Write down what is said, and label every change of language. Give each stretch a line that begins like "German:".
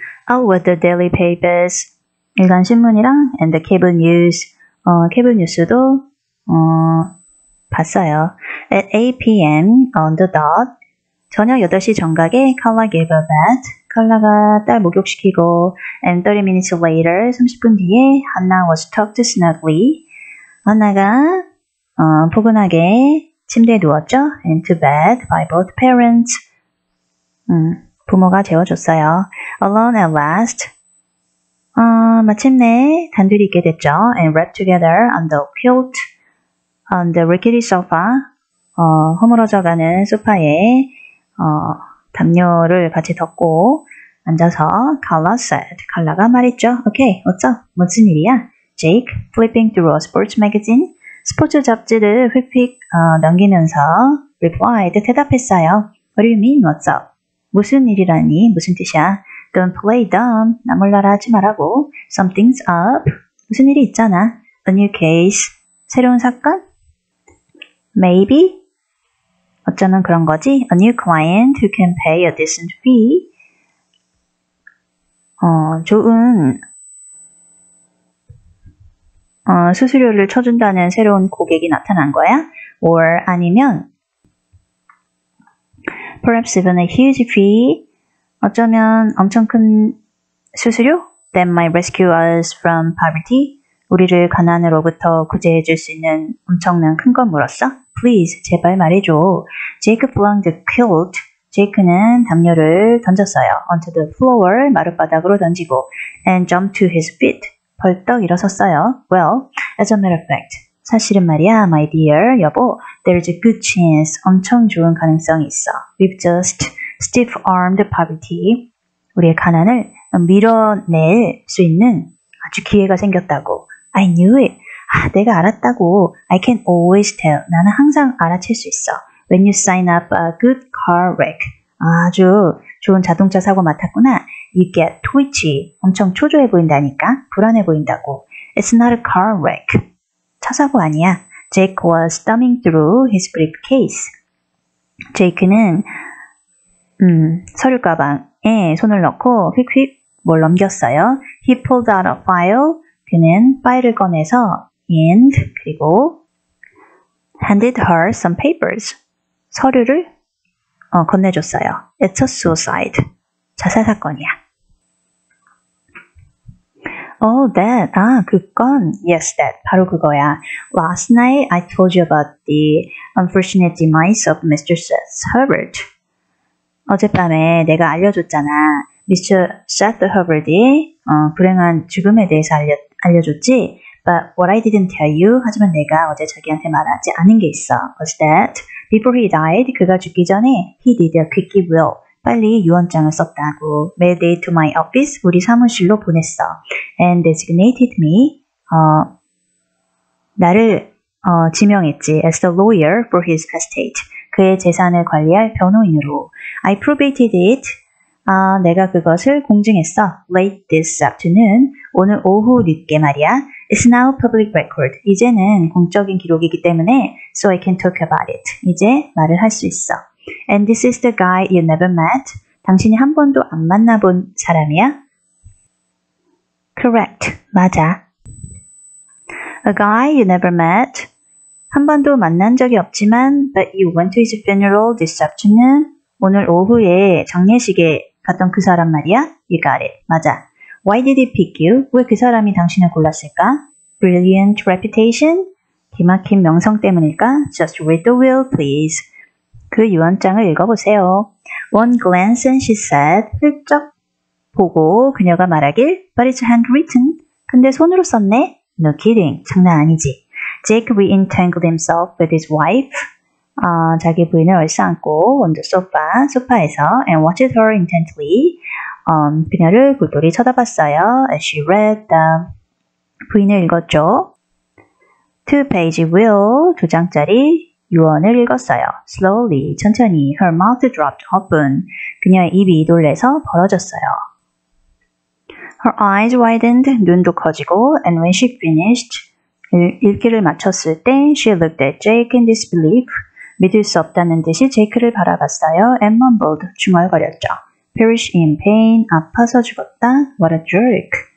English: Oh, with the daily papers,
Korean: 일간 신문이랑
English: and the cable news, cable news도
Korean: 봤어요.
English: At 8 PM on the dot,
Korean: 저녁 8시 정각에
English: 칼라 gave a bath.
Korean: 칼라가 딸 목욕시키고
English: and 30 minutes later,
Korean: 30분 뒤에
English: 한나 was tucked snugly.
Korean: 한나가 포근하게 침대에 누웠죠.
English: Into bed by both parents.
Korean: 부모가 재워줬어요.
English: Alone at last.
Korean: 마침내 단둘이 있게 됐죠.
English: And wrapped together on the quilt. On the rickety sofa.
Korean: 허물어져가는 소파에 담요를 같이 덮고 앉아서
English: Carla said.
Korean: 칼라가 말했죠.
English: Okay, what's up?
Korean: 무슨 일이야?
English: Jake flipping through a sports magazine.
Korean: 스포츠 잡지를 휙휙 넘기면서
English: replied.
Korean: 대답했어요.
English: What do you mean, what's up?
Korean: 무슨 일이라니? 무슨 뜻이야?
English: Don't play dumb.
Korean: 나 몰라라 하지 말라고.
English: Something's up.
Korean: 무슨 일이 있잖아.
English: A new case.
Korean: 새로운 사건?
English: Maybe.
Korean: 어쩌면 그런 거지.
English: A new client who can pay a decent fee.
Korean: 좋은 수수료를 쳐준다는 새로운 고객이 나타난 거야?
English: Or
Korean: 아니면
English: Perhaps even a huge fee.
Korean: 어쩌면 엄청 큰 수수료?
English: That might rescue us from poverty.
Korean: 우리를 가난으로부터 구제해 줄 수 있는 엄청난 큰 걸 물었어?
English: Please,
Korean: 제발 말해줘.
English: Jake flung the quilt.
Korean: Jake는 담요를 던졌어요.
English: Onto the floor,
Korean: 마룻바닥으로 던지고.
English: And jumped to his feet.
Korean: 벌떡 일어섰어요.
English: Well, as a matter of fact.
Korean: 사실은 말이야,
English: my dear,
Korean: 여보,
English: there's a good chance,
Korean: 엄청 좋은 가능성이 있어.
English: We've just stiff-armed poverty.
Korean: 우리의 가난을 밀어낼 수 있는 아주 기회가 생겼다고.
English: I knew it.
Korean: 아, 내가 알았다고.
English: I can always tell.
Korean: 나는 항상 알아챌 수 있어.
English: When you sign up a good car wreck.
Korean: 아주 좋은 자동차 사고 맡았구나.
English: You get twitchy.
Korean: 엄청 초조해 보인다니까. 불안해 보인다고.
English: It's not a car wreck.
Korean: 차 사고 아니야.
English: Jake was thumbing through his briefcase.
Korean: Jake는 서류 가방에 손을 넣고 휙휙 뭘 넘겼어요.
English: He pulled out a file.
Korean: 그는 파일을 꺼내서 and 그리고 handed her some papers. 서류를 건네줬어요.
English: It's a suicide.
Korean: 자살 사건이야.
English: Oh, that.
Korean: 아, 그건.
English: Yes, that.
Korean: 바로 그거야.
English: Last night, I told you about the unfortunate demise of Mr. Seth Herbert.
Korean: 어젯밤에 내가 알려줬잖아.
English: Mr.
Korean: Seth Herbert의 불행한 죽음에 대해서 알려줬지.
English: But what I didn't tell you,
Korean: 하지만 내가 어제 자기한테 말하지 않은 게 있어.
English: Was that before he died,
Korean: 그가 죽기 전에
English: he did a quick will.
Korean: 빨리 유언장을 썼다고.
English: Made it to my office.
Korean: 우리 사무실로 보냈어.
English: And designated me.
Korean: 나를 지명했지.
English: As the lawyer for his estate.
Korean: 그의 재산을 관리할 변호인으로.
English: I probated it.
Korean: 내가 그것을 공증했어.
English: Late this afternoon.
Korean: 오늘 오후 늦게 말이야.
English: It's now public record.
Korean: 이제는 공적인 기록이기 때문에.
English: So I can talk about it.
Korean: 이제 말을 할 수 있어.
English: And this is the guy you never met.
Korean: 당신이 한 번도 안 만나본 사람이야?
English: Correct.
Korean: 맞아.
English: A guy you never met.
Korean: 한 번도 만난 적이 없지만,
English: but you went to his funeral this afternoon.
Korean: 오늘 오후에 장례식에 갔던 그 사람 말이야?
English: You got it.
Korean: 맞아.
English: Why did he pick you?
Korean: 왜 그 사람이 당신을 골랐을까?
English: Brilliant reputation.
Korean: 기막힌 명성 때문일까?
English: Just read the will, please.
Korean: 그 유언장을 읽어보세요.
English: One glance and she said,
Korean: 훌쩍 보고 그녀가 말하길,
English: But it's handwritten.
Korean: 근데 손으로 썼네?
English: No kidding.
Korean: 장난 아니지.
English: Jake re-entangled himself with his wife.
Korean: 자기 부인을 얼싸안고
English: on the sofa,
Korean: 소파에서
English: and watched her intently.
Korean: 그녀를 골똘히 쳐다봤어요.
English: As she read the
Korean: 부인을 읽었죠.
English: Two-page will,
Korean: 두 장짜리 유언을 읽었어요.
English: Slowly,
Korean: 천천히,
English: her mouth dropped open.
Korean: 그녀의 입이 놀래서 벌어졌어요.
English: Her eyes widened,
Korean: 눈도 커지고,
English: and when she finished,
Korean: 읽기를 마쳤을 때,
English: she looked at Jake in disbelief.
Korean: 믿을 수 없다는 듯이 제이크를 바라봤어요.
English: And mumbled,
Korean: 중얼거렸죠.
English: perish in pain.
Korean: 아파서 죽었다.
English: What a jerk.